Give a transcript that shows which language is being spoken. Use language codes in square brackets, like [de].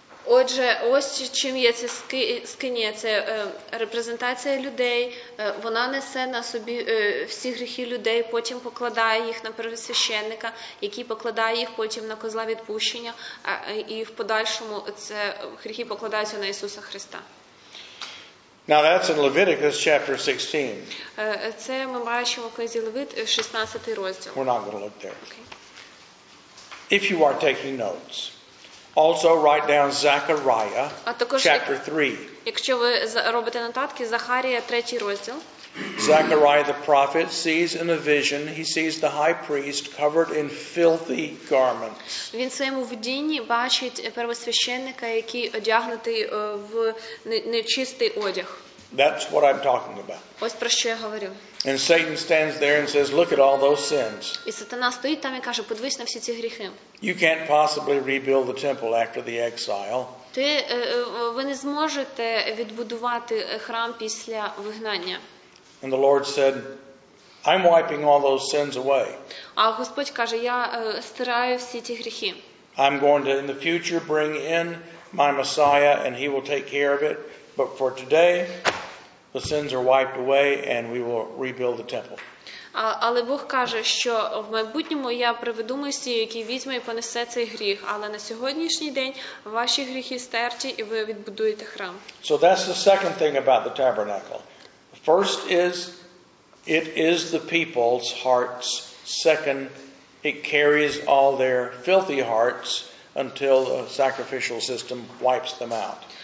[uk] Отже, ось чим є ця скинія, це репрезентація людей. Вона несе на собі всі гріхи людей, потім покладає їх на первосвященника, який покладає їх потім на козла відпущення, і в подальшому це гріхи покладаються на Ісуса Христа. [en] Now that's in Leviticus chapter 16. [uk] Це ми бачимо в книзі Левит, 16 розділ. [en] We're not going to look there. Okay. If you are taking notes, also write down Zechariah chapter 3. [uk] Якщо ви робите нотатки, Захарія, 3 розділ. [en] Zechariah the prophet sees in a vision, he sees the high priest covered in filthy garments. [uk] Він в своєму видінні бачить первосвященника, який одягнутий в нечистий одяг. [en] That's what I'm talking about. [uk] Ось про що я говорю. [en] And Satan stands there and says, look at all those sins. [uk] І сатана стоїть там і каже, подивись на всі ці гріхи. [en] You can't possibly rebuild the temple after the exile. [uk] Ви не зможете відбудувати храм після вигнання. [en] And the Lord said, I'm wiping all those sins away. [uk] А Господь каже, я стираю всі ті гріхи. [en] I'm going to in the future bring in my Messiah and he will take care of it. But for today, the sins are wiped away and we will rebuild the temple. [uk] Але Бог каже, що в майбутньому я приведу Месію, який візьме і понесе цей гріх. Але на сьогоднішній день ваші гріхи стерті і ви відбудуєте храм. [en] So that's the second thing about the tabernacle. First is, it is the people's hearts. Second, it carries all their filthy hearts until the sacrificial system wipes them out.